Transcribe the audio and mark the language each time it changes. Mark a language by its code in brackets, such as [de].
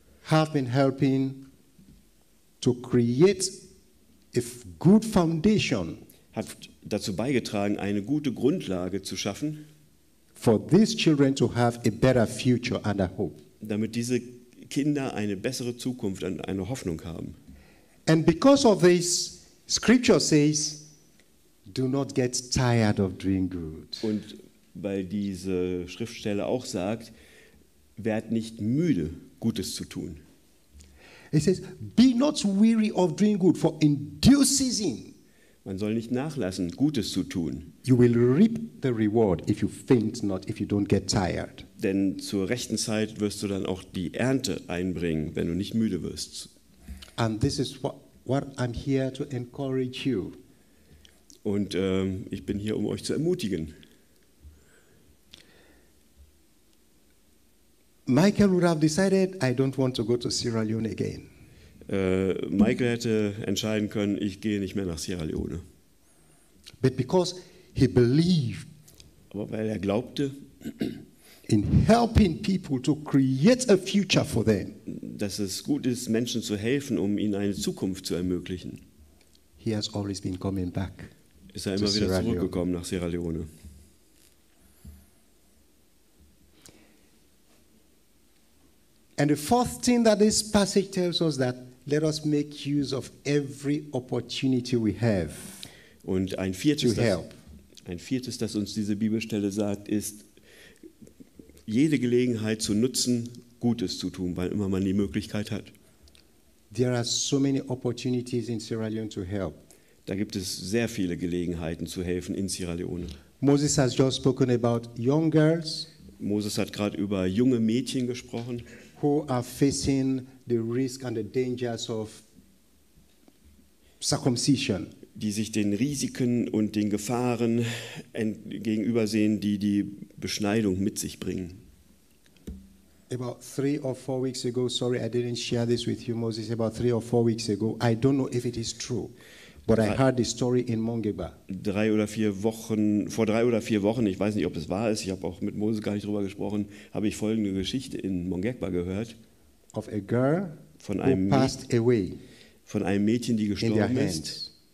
[en] have been helping to create a good foundation, [de] hat dazu beigetragen, eine gute Grundlage zu schaffen, [en] for these children to have a better future and a hope, [de] damit diese Kinder eine bessere Zukunft und eine Hoffnung haben. [en] And because of this, Scripture says, do not get tired of doing good. [de] Und weil diese Schriftstelle auch sagt, werd nicht müde, Gutes zu tun. [en] It says, be not weary of doing good, for in due season. [de] Man soll nicht nachlassen, Gutes zu tun. [en] You will reap the reward if you faint not, if you don't get tired. [de] Denn zur rechten Zeit wirst du dann auch die Ernte einbringen, wenn du nicht müde wirst. [en] And this is what I'm here to encourage you. [de] Und ich bin hier, um euch zu ermutigen. [en] Michael would have decided, I don't want to go to Sierra Leone again. [de] Michael hätte entscheiden können, ich gehe nicht mehr nach Sierra Leone. [en] But because he believed, [de] aber weil er glaubte, [en] in helping people to create a future for them, [de] dass es gut ist, Menschen zu helfen, um ihnen eine Zukunft zu ermöglichen, [en] he has always been coming back. [de] Ist er immer wieder zurückgekommen nach Sierra Leone. [en] And the fourth thing that this passage tells us that let us make use of every opportunity we have. [de] Und ein viertes, das uns diese Bibelstelle sagt, ist jede Gelegenheit zu nutzen, Gutes zu tun, weil immer man die Möglichkeit hat. [en] There are so many opportunities in Sierra Leone to help. [de] Da gibt es sehr viele Gelegenheiten zu helfen in Sierra Leone. [en] Moses has just spoken about young girls. [de] Moses hat gerade über junge Mädchen gesprochen. [en] Who are facing the risk and the dangers of circumcision. [de] Die sich den Risiken und den Gefahren gegenübersehen, die die Beschneidung mit sich bringen. [en] About 3 or 4 weeks ago, sorry, I didn't share this with you, Moses. About 3 or 4 weeks ago, I don't know if it is true, but I heard the story in Mongeba. [de] Vor drei oder vier Wochen, ich weiß nicht, ob es wahr ist, ich habe auch mit Moses gar nicht drüber gesprochen, habe ich folgende Geschichte in Mongeba gehört. [en] Of a girl [de] von einem [en] who passed away. [de] Von einem Mädchen, die gestorben ist.